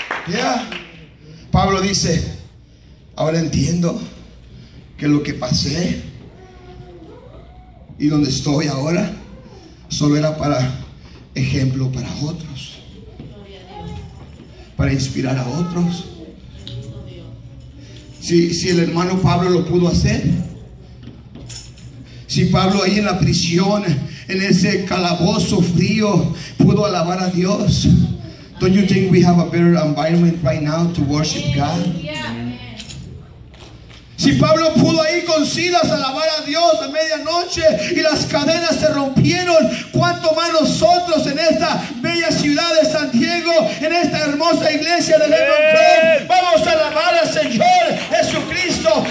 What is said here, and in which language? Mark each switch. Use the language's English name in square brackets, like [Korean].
[Spanish] Ya, Pablo dice: ahora entiendo que lo que pasé y donde estoy ahora solo era para ejemplo para otros, para inspirar a otros. Si el hermano Pablo lo pudo hacer, si Pablo ahí en la prisión, en ese calabozo frío, pudo alabar a Dios, [English] Don't you think we have a better environment right now to worship God? [Spanish] Si Pablo pudo ahí con Silas alabar a Dios a medianoche y las cadenas se rompieron, ¿cuánto más nosotros en esta bella ciudad de Santiago, en esta hermosa iglesia de Lemon Grove, vamos a alabar al Señor Jesucristo?